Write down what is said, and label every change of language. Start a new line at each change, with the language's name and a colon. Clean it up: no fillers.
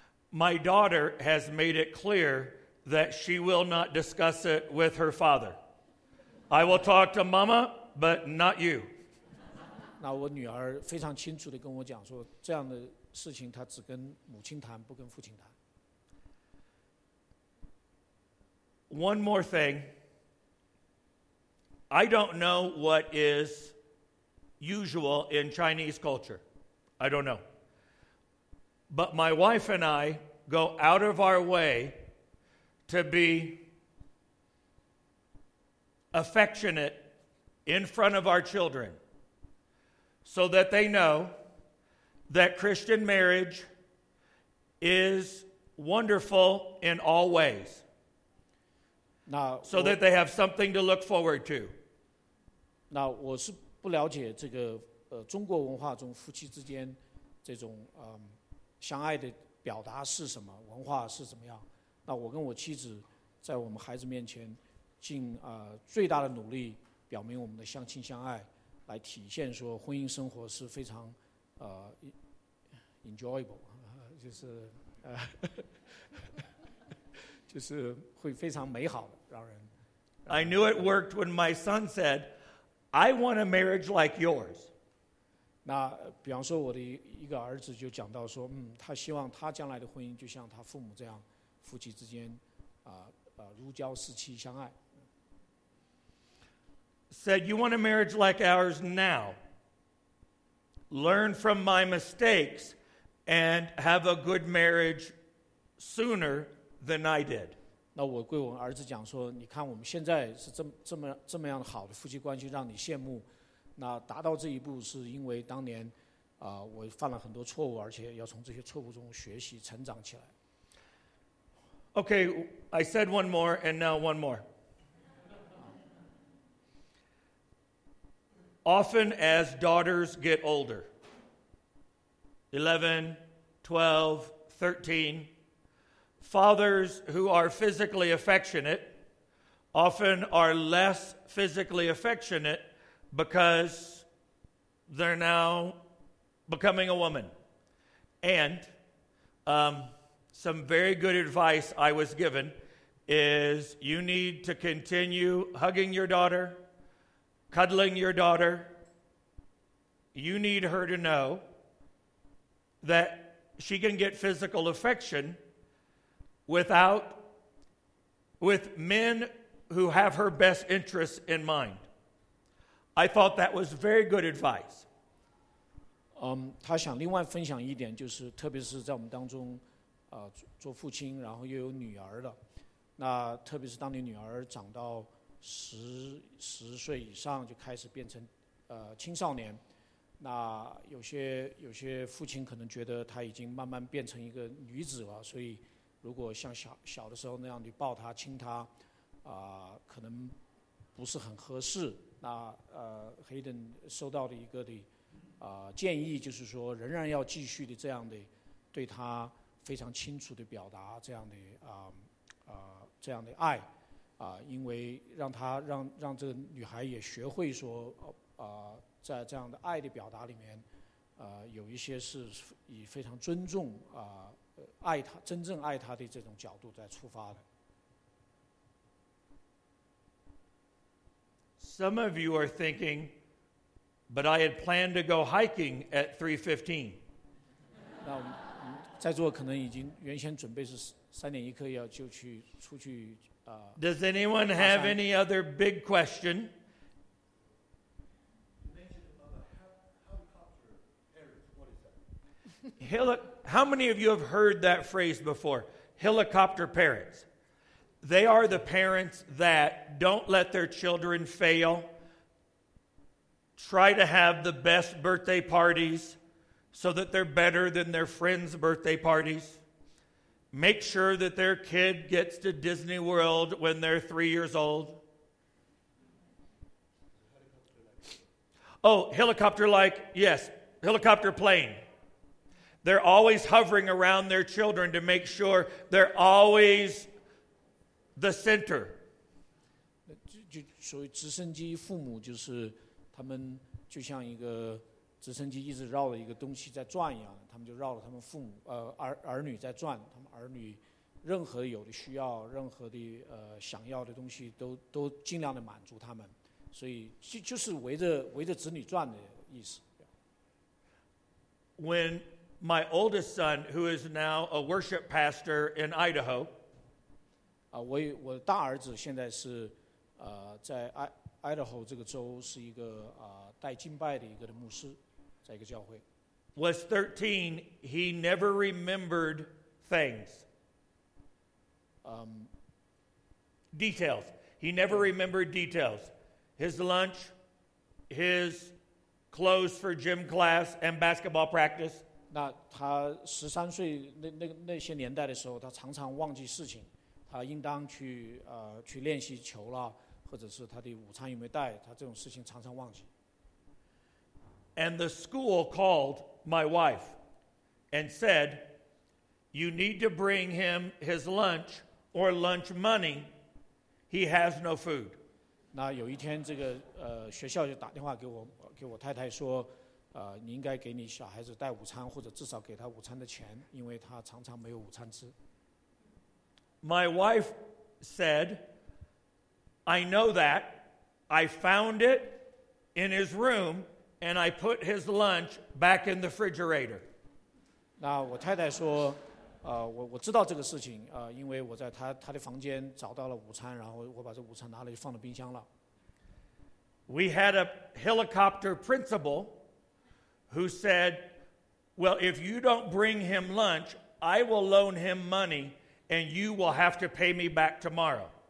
English: My daughter has made it clear that she will not discuss it with her father. I will talk to mama, but not you.
Chinese: 那我女儿非常清楚地跟我讲说，这样的事情她只跟母亲谈，不跟父亲谈。
English: One more thing. I don't know what is usual in Chinese culture. I don't know. But my wife and I go out of our way to be affectionate in front of our children.So that they know that Christian marriage is wonderful in all ways. Now, so that they have something to look forward to.
Chinese: Now, 我是不了解这个中国文化中夫妻之间这种相爱的表达是什么，文化是怎么样。那我跟我妻子在我们孩子面前尽最大的努力表明我们的相亲相爱，来体现说婚姻生活是非常enjoyable， 就是会非常美好的，让人。
English: I knew it worked when my son said, "I want a marriage like yours."
Chinese: 那比方说，我的一个儿子就讲到说，他希望他将来的婚姻就像他父母这样，夫妻之间如胶似漆相爱。
English: Said, "You want a marriage like ours now? Learn from my mistakes and have a good marriage sooner than I did."
Chinese: 那我跟我儿子讲说，你看我们现在是这么样好的夫妻关系，让你羡慕。那达到这一步是因为当年我犯了很多错误，而且要从这些错误中学习成长起来。
English: Okay, I said one more, and now one more. Often as daughters get older, 11, 12, 13, fathers who are physically affectionate often are less physically affectionate because they're now becoming a woman. And some very good advice I was given is you need to continue hugging your daughter, cuddling your daughter. You need her to know that she can get physical affection with men who have her best interests in mind. I thought that was very good advice.
Chinese: 他想另外分享一点，就是特别是在我们当中做父亲，然后又有女儿的，那特别是当你女儿长到十岁以上，就开始变成青少年，那有些父亲可能觉得他已经慢慢变成一个女子了，所以如果像小的时候那样去抱他亲他可能不是很合适。那Hayden 收到的一个的建议就是说，仍然要继续的这样的对他非常清楚的表达这样的爱因为让这个女孩也学会说在这样的爱的表达里面有一些是以非常尊重爱她真正爱她的这种角度在出发的。
English: Some of you are thinking, but I had planned to go hiking at 3:15.
Chinese: 在座可能已经原先准备是3:01要就去出去
English: Does anyone have any other big question? You mentioned about a helicopter parrot. What is that? How many of you have heard that phrase before? Helicopter parents. They are the parents that don't let their children fail, try to have the best birthday parties so that they're better than their friends' birthday parties. Make sure that their kid gets to Disney World when they're 3 years old. Oh, helicopter-like, yes, helicopter plane. They're always hovering around their children to make sure they're always the center.
Chinese: 所以直升机父母就是他们就像一个直升机一直绕着一个东西在转一样，他们就绕着他们父母儿女在转，他们儿女任何有的需要，任何的想要的东西都尽量的满足他们，所以就是围着子女转的意思。
English: When my oldest son, who is now a worship pastor in Idaho,
Chinese: 我大儿子现在是在Idaho 这个州是一个带敬拜的一个的牧师，在一个教会。
English: Was 13, he never remembered things. Details. He never remembered details. His lunch, his clothes for gym class and basketball practice.
Chinese: 那他十三岁 那些年代的时候，他常常忘记事情，他应当去去练习球了，或者是他的午餐有没有带，他这种事情常常忘记。
English: And the school called my wife and said, "You need to bring him his lunch or lunch money. He has no food."
Chinese: 那有一天，这个学校就打电话给我太太说，你应该给你小孩子带午餐，或者至少给他午餐的钱，因为他常常没有午餐吃。
English: My wife said, "I know that. I found it in his room, and I put his lunch back in the refrigerator."
Chinese: 那我太太说，我知道这个事情，因为我在他的房间找到了午餐，然后我把这午餐拿了就放到冰箱了。
English: We had a helicopter principal who said, "Well, if you don't bring him lunch, I will loan him money, and you will have to pay me back tomorrow."